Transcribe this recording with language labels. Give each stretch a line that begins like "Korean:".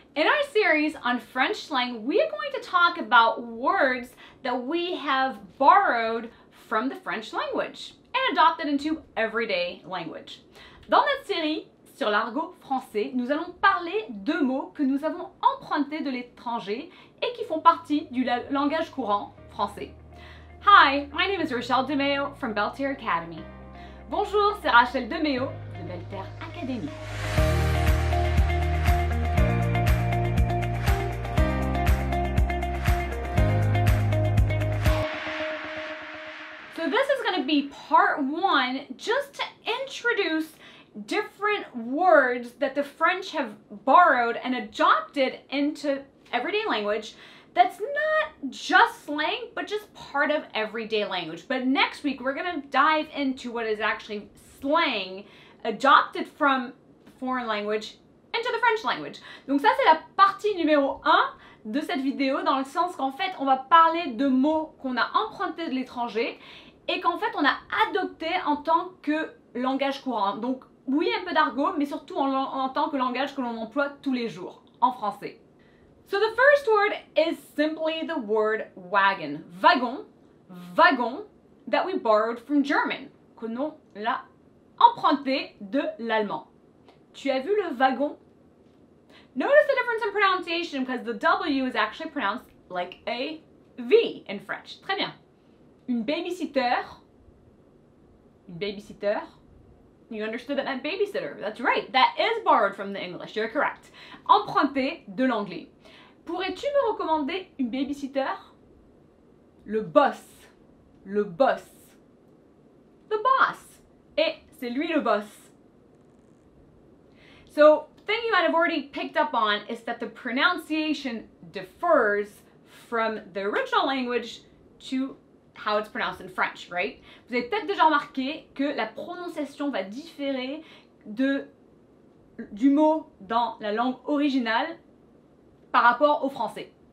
English: In our series on French slang, we are going to talk about words that we have borrowed from the French language and adopted into everyday language.
French: Dans notre série sur l'argot français, nous allons parler de mots que nous avons empruntés de l'étranger et qui font partie du langage courant français.
English: Hi, my name is Rochelle DeMeo from Belterre Academy.
French: Bonjour, c'est Rachel DeMeo de Belterre Academy.
English: So this is going to be part one, just to introduce different words that the French have borrowed and adopted into everyday language that's not just slang, but just part of everyday language. But next week, we're going to dive into what is actually slang adopted from foreign language into the French language.
French: Donc ça, c'est la partie numéro un de cette vidéo, dans le sens qu'en fait, on va parler de mots qu'on a empruntés de l'étranger et qu'en fait on a adopté en tant que langage courant. Donc oui, un peu d'argot, mais surtout en tant que langage que l'on emploie tous les jours, en français.
English: So the first word is simply the word wagon. Wagon, wagon, that we borrowed from German.
French: Que l'on l'a emprunté de l'allemand. Tu as vu le wagon?
English: Notice the difference in pronunciation, because the W is actually pronounced like a V in French.
French: Très bien.
English: Une babysitter, you understood that babysitter, that's right, that is borrowed from the English, you're correct.
French: Emprunté de l'anglais. Pourrais-tu me recommander une babysitter? Le boss, the boss, et c'est lui le boss.
English: So, thing you might have already picked up on is that the pronunciation differs from the original language to how it's pronounced in French, right?
French: Vous avez peut-être déjà remarqué que la prononciation va différer du mot dans la langue originale par rapport au français.